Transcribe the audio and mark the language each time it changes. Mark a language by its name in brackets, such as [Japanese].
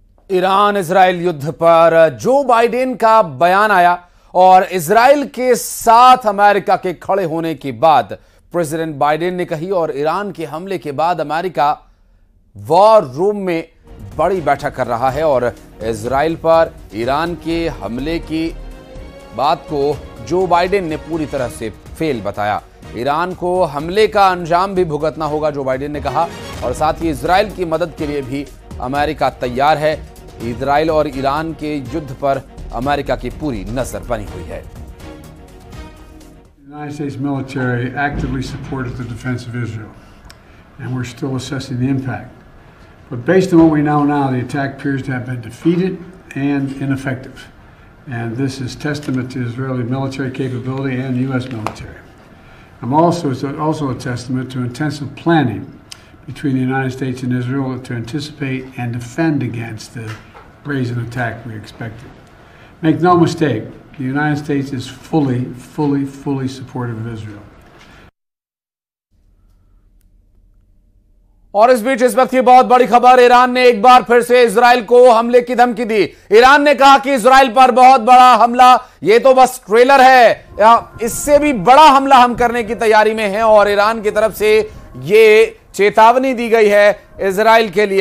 [Hindi] Iran Israel युद्ध पर Joe Biden का बयान आया और इसराइल के साथ अमेरिका के खड़े होने के बाद प्रेसिडेंट बाइडेन ने कही, और ईरान के हमले के बाद अमेरिका वॉर रूम में बड़ी बैठक कर रहा है और इसराइल पर ईरान के हमले की बात को जो बाइडेन ने पूरी तरह से फेल बताया। ईरान को हमले का अंजाम भी भुगतना होगा, जो बाइडेन ने कहा, और साथ ही इसराइल की मदद के लिए भी अमेरिका तैयार है। इसराइल और ईरान के युद्ध पर अमेरिका की पूरी नजर बनी हुई है। [English] United States military actively supported the defense of Israel, and we're still assessing the impact. But based on what we know now, the attack appears to have been defeated and ineffective. And this is testament to Israeli military capability and the U.S. military. It's also a testament to intensive planning between the United States and Israel to anticipate and defend against the brazen attack we expected. Make no mistake, the United States is fully supportive of Israel. [Hindi] और इस बीच इस वक्त की बहुत बड़ी खबर, Iran ने एक बार फिर से इसराइल को हमले की धमकी दी। ईरान ने कहा कि इसराइल पर बहुत बड़ा हमला, ये तो बस ट्रेलर है, इससे भी बड़ा हमला हम करने की तैयारी में हैं। और ईरान की तरफ से ये चेतावनी दी गई है इसराइल के लिए।